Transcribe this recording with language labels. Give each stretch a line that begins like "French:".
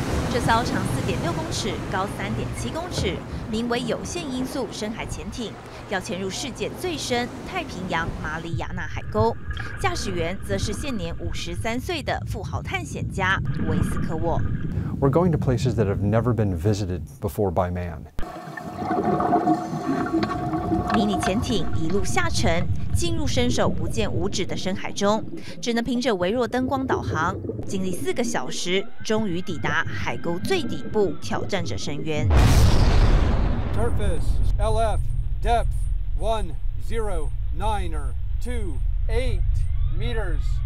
Chinese: 这艘长4.6公尺、高3.7公尺、名为有限因素深海潜艇，要潜入世界最深太平洋马里亚纳海沟，驾驶员则是现年53岁的富豪探险家维斯科沃。
English: We're going to places that have never been visited before by man.
Chinese: 迷你潜艇一路下沉，进入伸手不见五指的深海中，只能凭着微弱灯光导航，经历4个小时，终于抵达海沟最底部，挑战者深渊。
English: Surface LF。 Depth 109 or 28 meters.